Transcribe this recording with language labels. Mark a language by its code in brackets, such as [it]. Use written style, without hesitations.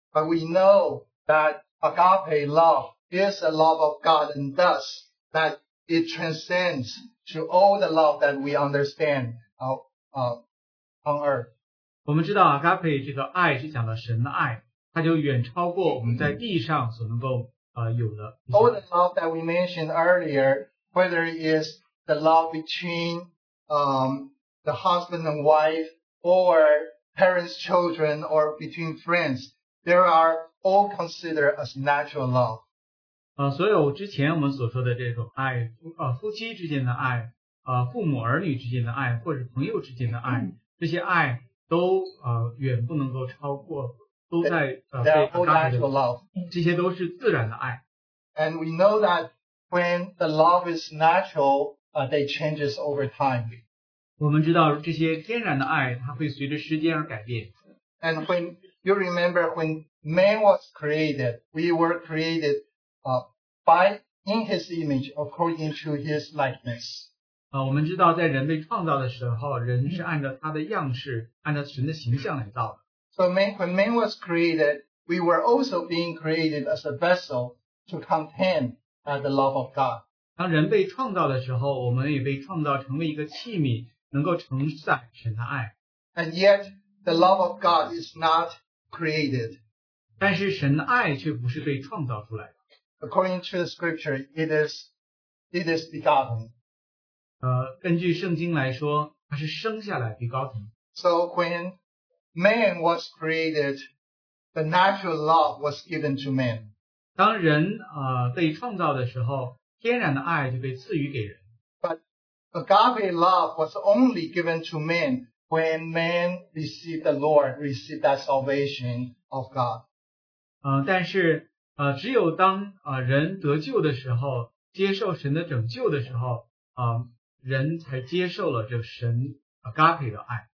[en] But we know that agape love is a love of God, and thus that it transcends to all the love that we understand on earth. [zh] 我们知道 agape 这个爱是讲到神的爱，它就远超过我们在地上所能够有的。 [en] All the love that we mentioned earlier, whether it is the love between the husband and wife, or parents, children, or between friends, they are all considered as natural love. [zh] 所有之前我们所说的这种爱，夫妻之间的爱，父母儿女之间的爱，或者朋友之间的爱，这些爱都远不能够超过，都在被这些都是自然的爱。 [en] And we know that when the love is natural, they changes over time. [zh] 我们知道这些天然的爱，它会随着时间而改变。 [en] And when you remember when man was created, we were created in his image according to his likeness. [zh] 我们知道在人被创造的时候，人是按照他的样式，按照神的形象来造的。 [en] So when man was created, we were also being created as a vessel to contain the love of God. [zh] 当人被创造的时候，我们也被创造成为一个器皿，能够承载神的爱。 [en] And yet, the love of God is not created. [zh] 但是神的爱却不是被创造出来的。 [en] According to the scripture, it is begotten. [zh] 根据圣经来说，它是生下来 begotten. [en] So when man was created, the natural love was given to man. [zh] 当人被创造的时候，天然的爱就被赐予给人。 [en] But agape love was only given to man when man received the Lord, received that salvation of God. [zh] 但是只有当人得救的时候，接受神的拯救的时候，人才接受了这神agape 的爱。